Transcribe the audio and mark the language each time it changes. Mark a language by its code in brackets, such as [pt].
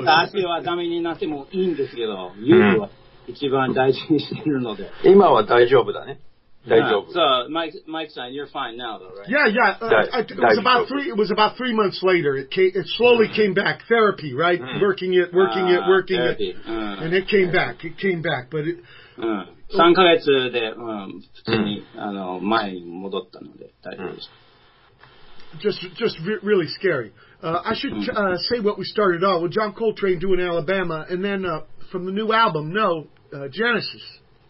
[ja] Hisa, Ashi はダメになってもいいんですけど、ユーは一番大事にしてるので。今は大丈夫だね。大丈夫。 [en] So, Mike さん, you're fine now, though, right? Yeah. It was about 3 months later. It slowly came back. Therapy, right? Working it. And it came back. It came back, but it... [ja] 3ヶ月で、普通に、前に戻ったので大丈夫でした。 [en] Just really scary. I should say what we started off with John Coltrane doing Alabama, and then from the new album, Genesis.